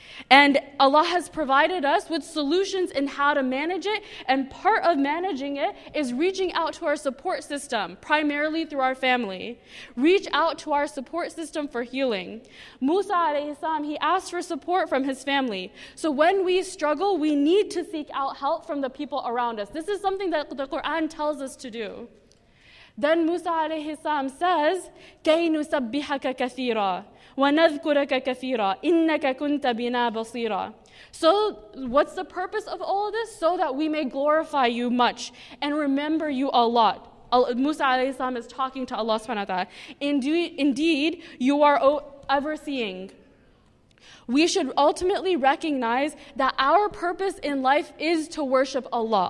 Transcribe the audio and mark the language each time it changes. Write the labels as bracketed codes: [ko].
[en] And Allah has provided us with solutions in how to manage it, and part of managing it is reaching out to our support system, primarily through our family. Reach out to our support system for healing. Musa alayhi salam, he asked for support from his family. So when we struggle, we need to seek out help from the people around us. This is something that the Quran tells us to do. Then Musa alayhi salam says, [ar] كَيْ نُسَبِّحَكَ كَثِيرًا وَنَذْكُرَكَ كَثِيرًا إِنَّكَ كُنْتَ بِنَا بَصِيرًا. [en] So what's the purpose of all of this? So that we may glorify you much and remember you a lot. Musa alayhi salam is talking to Allah subhanahu wa ta'ala. Indeed, you are ever seeing. We should ultimately recognize that our purpose in life is to worship Allah.